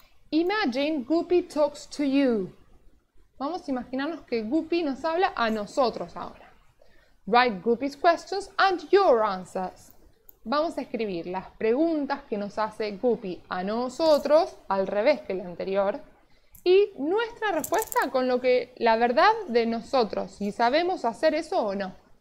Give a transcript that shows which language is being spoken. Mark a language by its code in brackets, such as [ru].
[en] Imagine Guppy talks to you. [es] Vamos a imaginarnos que Guppy nos habla a nosotros ahora. [en] Write Guppy's questions and your answers. [es] Vamos a escribir las preguntas que nos hace Guppy a nosotros, al revés que la anterior, y nuestra respuesta con lo que la verdad de nosotros, si sabemos hacer eso o no.